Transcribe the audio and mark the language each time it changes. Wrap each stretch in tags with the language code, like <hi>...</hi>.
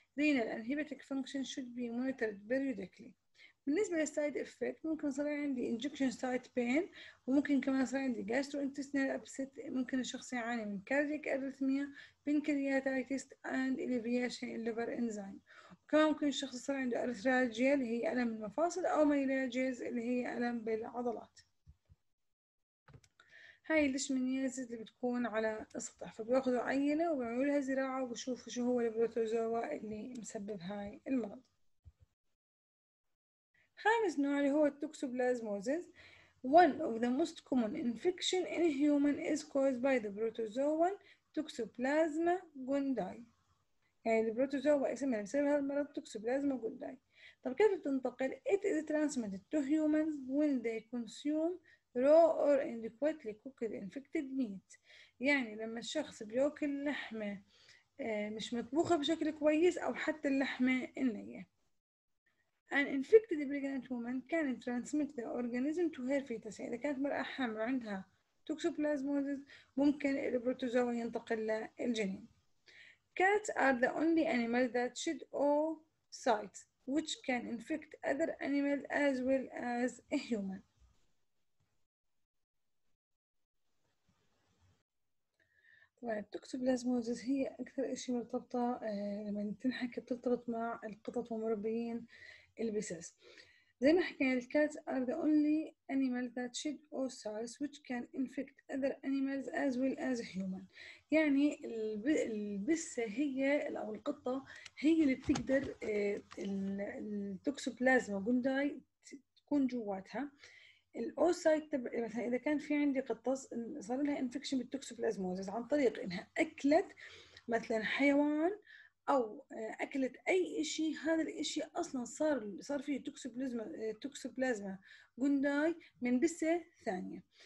<ar>زين الانهيبيتك فانكشن شود بي مونيتورد بيريودكلي. بالنسبه للسايد افكت ممكن صار عندي انجكشن سايت بين، وممكن كمان صار عندي جاسترو انتستينال ابسيت، ممكن الشخص يعاني من كارديك ارثميا، بنكرياتايتس اند اليفيشن الليفر انزيم، وكمان ممكن الشخص صار عنده ارثرالجيا اللي هي الم المفاصل، او ميلاجيز اللي هي الم بالعضلات. هاي الليشمانيازيز اللي بتكون على السطح، فبياخذوا عينه وبيعملوا لها زراعه وبشوفوا شو هو البروتوزوا اللي مسبب هاي المرض. خامس نوع اللي هو التوكسوبلازموزيس.</ar> <en>One of the most common infection in a human is caused by the protozoan Toxoplasma gondii.</en> <ar>يعني البروتوزوا اسمها بسبب هذا المرض توكسوبلازما جونداي. طب كيف بتنتقل؟</ar> <en>It is transmitted to humans when they consume raw or inadequately cooked infected meat.</en> <ar>يعني لما الشخص بياكل لحمة مش مطبوخة بشكل كويس أو حتى اللحمة النيّة.</ar> <en>An infected pregnant woman can transmit the organism to her fetus.</en> <ar>يعني إذا كانت مرأة حامل عندها toxoplasmosis ممكن البروتوزوا ينتقل للجنين.</ar> <en>Cats are the only animal that shed oocytes which can infect other animals as well as a human.</en> <ar>التوكسوبلازموزيس هي أكثر إشي مرتبطة لما تنحكي بترتبط مع القطط ومربيين البسس. زي ما حكينا الكاتس</ar> <en>are the only animal that shed oocytes which can infect other animals as well as human.</en> <ar>يعني البسة هي أو القطة هي اللي بتقدر التوكسوبلازما جونداي تكون جواتها. الأوسايت تبع مثلا إذا كان في عندي قطة صار لها انفكشن بالتوكسوبلازموزيس عن طريق إنها أكلت مثلا حيوان أو أكلت أي إشي، هذا الإشي أصلا صار فيه توكسوبلازما جونداي من بسة ثانية.</ar>